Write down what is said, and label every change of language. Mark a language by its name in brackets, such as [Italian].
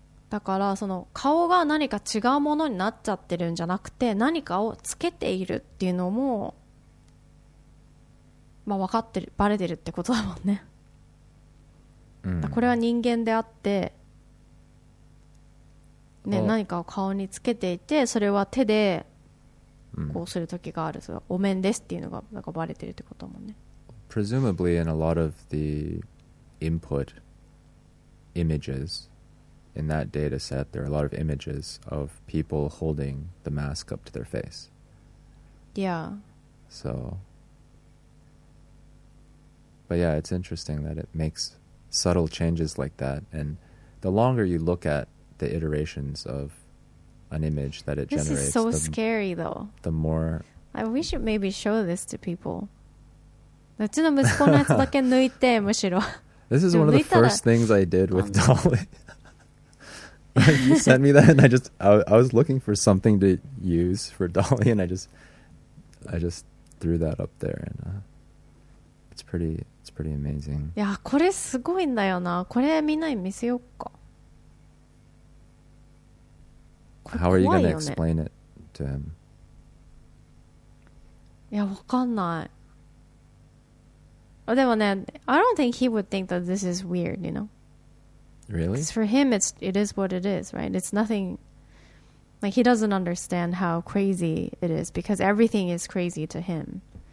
[Japanese] だから、その顔が何か違うものになっちゃってるんじゃなくて、何かをつけているっていうのも、まあ、分かってる、バレてるってことだもんね、うん、だこれは人間であってね、何かを顔につけていて、それは手でこうするときがある、うん、それはお面ですっていうのがなんかバレてるってこともね。 [English] Presumably in a lot of the input images in that data set, there are a lot of images of people holding the mask up to their face. Yeah. So, but yeah, it's interesting that it makes subtle changes like that, and the longer you look atthe iterations of an image that it generates. This is so scary, though. The more... We should maybe show this to people. [Japanese] うちの息子のやつだけ抜いて、むしろ。 [English] This is one of the first things I did with Dolly. You sent me that, and I was looking for something to use for Dolly, and I just threw that up there. And, it's pretty amazing. [Japanese] いや、これすごいんだよな。これみんなに見せよっか。 [English] How are you going to explain it to him? [Japanese] いや、わかんない。でもね、 [English] I don't think he would think that this is weird, you know? Really? Because for him, it is what it is, right? It's nothing... Like, he doesn't understand how crazy it is, because everything is crazy to him.